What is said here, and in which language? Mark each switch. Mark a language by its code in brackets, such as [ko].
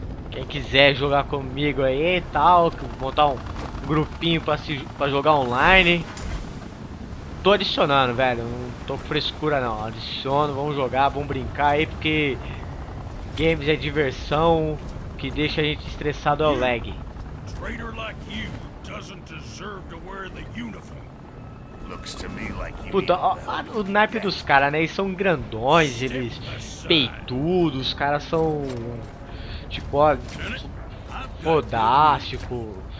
[pt] Quem quiser jogar comigo aí e tal, montar um grupinho pra jogar online. Tô adicionando, velho, não tô com frescura não. Adiciono, vamos jogar, vamos brincar aí, porque games é diversão. Que deixa a gente estressado ao lag. [en] Traitor like you doesn't deserve to wear the uniform. Looks to me like you. [pt] Puta, o naipe dos caras, né? Eles são grandões, eles peitudos, os caras são tipo fodástico.